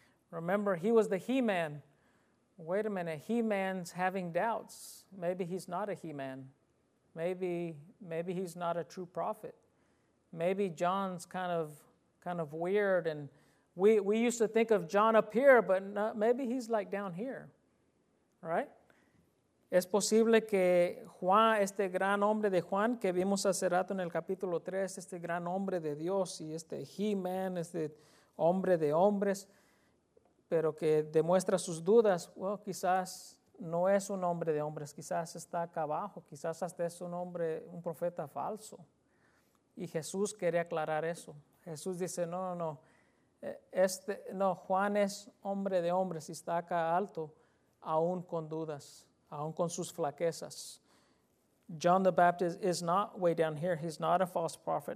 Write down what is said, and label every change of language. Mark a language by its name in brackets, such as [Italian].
[English] Remember, he was the He-Man. Wait a minute, He-Man's having doubts. Maybe he's not a He-Man. Maybe he's not a true prophet. Maybe John's kind of weird. And we used to think of John up here, but not, maybe he's like down here, right? [Spanish] Es posible que Juan, este gran hombre de Juan que vimos hace rato en el capítulo 3, este gran hombre de Dios y este He-Man, este hombre de hombres, pero que demuestra sus dudas, well, quizás no es un hombre de hombres, quizás está acá abajo, quizás hasta es un hombre, un profeta falso. Y Jesús quiere aclarar eso. Jesús dice, no, este, no, Juan es hombre de hombres y está acá alto, aún con dudas. Aun con sus flaquezas. [English] John the Baptist is not way down here. He's not a false prophet.